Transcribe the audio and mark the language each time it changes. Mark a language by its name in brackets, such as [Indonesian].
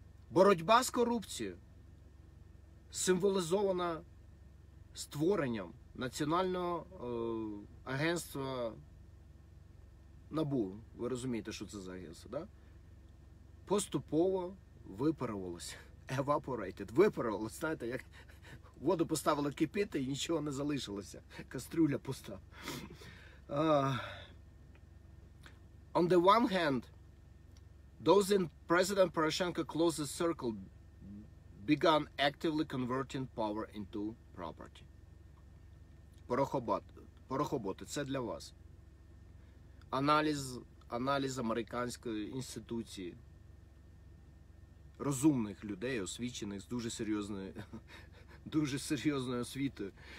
[Ukrainian] Боротьба з корупцією символізована створенням Національного агентства НАБУ. Ви розумієте, що це за агентство, да? Поступово випарувалось. Evaporated. Випарувалось, знаєте, як воду поставили кипіти і нічого не залишилося. Кастрюля пуста. [English] On the one hand, those in President Poroshenko closest circle began actively converting power into property. [Ukrainian] Порохоботи. Це для вас. Аналіз американської інституції. Розумних людей, освічених, з дуже серйозною... дуже серйозною освітою.